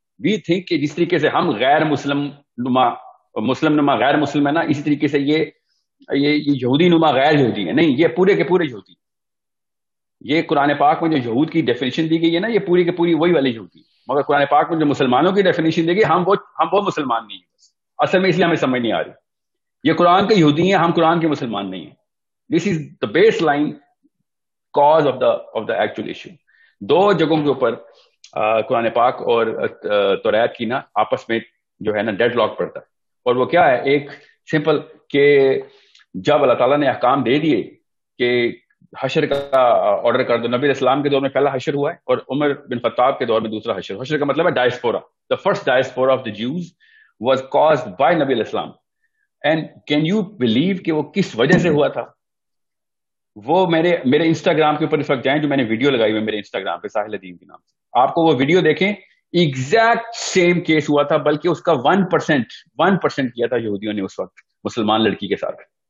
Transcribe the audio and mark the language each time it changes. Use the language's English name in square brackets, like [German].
[Urdu] We think کہ جس طریقے سے ہم غیر مسلم نما مسلم نما غیر مسلم ہے نا, اسی طریقے سے یہ یہودی نما غیر یہودی ہے. نہیں, یہ پورے کے پورے یہودی. یہ قرآن پاک میں جو یہود کی ڈیفینیشن دی گئی ہے نا, یہ پوری کے پوری وہی والے یہودی. مگر قرآن پاک میں جو مسلمانوں کی ڈیفینیشن دی گئی, ہم وہ مسلمان نہیں ہیں. اصل میں اس لیے ہمیں سمجھ نہیں آ رہی, یہ قرآن کے یہودی ہیں, ہم قرآن کے مسلمان نہیں ہیں. [English] This is the base line cause of the actual issue. [Urdu] دو جگہوں کے اوپر قرآن پاک اور تورات کی نا آپس میں جو ہے نا ڈیڈ لاک پڑتا ہے. اور وہ کیا ہے, ایک سمپل کہ جب اللہ تعالیٰ نے احکام دے دیے کہ حشر کا آرڈر کر دو, نبی علیہ السلام کے دور میں پہلا حشر ہوا ہے اور عمر بن خطاب کے دور میں دوسرا حشر. حشر کا مطلب ہے diaspora. [English] The first diaspora of the Jews was caused by نبی علیہ السلام. And can you believe [Urdu] کہ وہ کس وجہ سے ہوا تھا؟ وہ میرے انسٹاگرام کے اوپر اس وقت جائیں, جو میں نے ویڈیو لگائی ہوئی میرے انسٹاگرام پہ ساحل عدیم کے نام سے, آپ کو وہ ویڈیو دیکھیں. [English] exact same case [Urdu] ہوا تھا, بلکہ اس کا 1% کیا تھا یہودیوں نے اس وقت مسلمان لڑکی کے ساتھ.